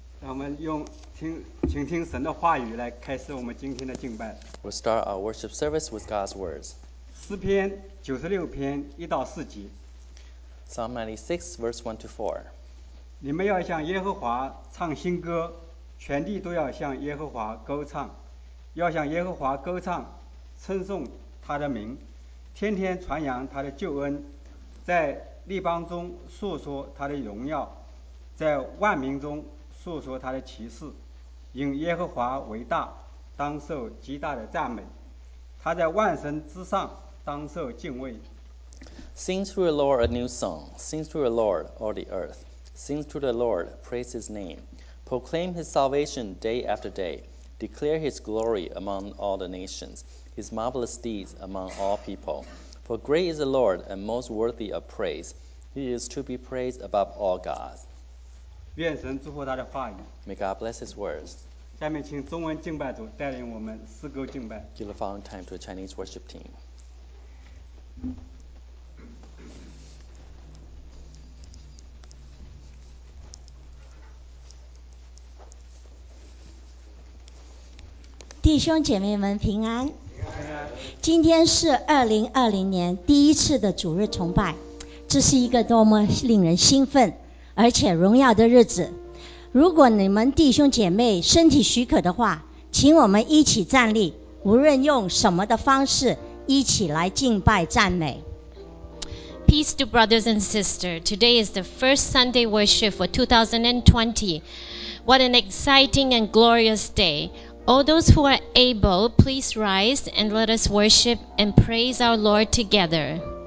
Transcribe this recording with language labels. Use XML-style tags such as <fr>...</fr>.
<zh>让我们用请听神的话语来开始我们今天的敬拜。</zh> <en>We'll start our worship service with God's words.</en> <zh>诗篇九十六篇一到四节。</zh> <en>Psalm 96, verse 1 to 4.</en> <zh>你们要向耶和华唱新歌，全地都要向耶和华歌唱，要向耶和华歌唱，称颂他的名，天天传扬他的救恩，在立邦中述说他的荣耀，在万民中述说他的奇事，因耶和华为大，当受极大的赞美，他在万神之上当受敬畏。</zh> <en>Sing to the Lord a new song, sing to the Lord all the earth, sing to the Lord, praise his name, proclaim his salvation day after day, declare his glory among all the nations, his marvelous deeds among all people. For great is the Lord and most worthy of praise. He is to be praised above all gods.</en> <zh>愿神祝福他的话语。</zh> <en>May God bless his words.</en> <zh>下面请中文敬拜组带领我们诗歌敬拜。</zh> <en>Give the following time to the Chinese worship team.</en> <zh>弟兄姐妹们平安。今天是2020年第一次的主日崇拜，这是一个多么令人兴奋而且荣耀的日子。如果你们弟兄姐妹身体许可的话，请我们一起站立，无论用什么的方式一起来敬拜赞美。</zh> <en>Peace to brothers and sisters. Today is the first Sunday worship for 2020. What an exciting and glorious day. All those who are able, please rise and let us worship and praise our Lord together.</en>